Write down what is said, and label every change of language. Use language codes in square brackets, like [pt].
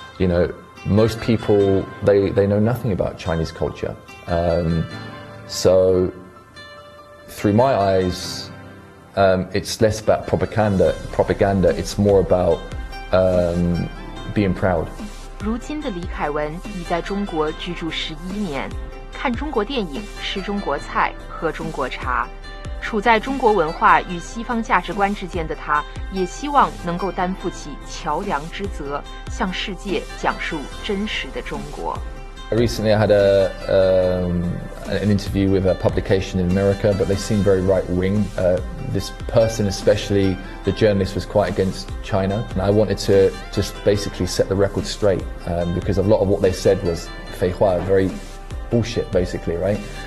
[en] You know, most people they know nothing about Chinese culture. So through my eyes, it's less about propaganda, it's more about being proud. [zh] 如今的李凯文已在中国居住11年，看中国电影，吃中国菜，喝中国茶。处在中国文化与西方价值观之间的他，也希望能够担负起桥梁之责，向世界讲述真实的中国。 [en] Recently, I had an interview with a publication in America, but they seemed very right-wing. This person, especially the journalist, was quite against China. And I wanted to just basically set the record straight, because a lot of what they said was 废话, very bullshit, basically, right?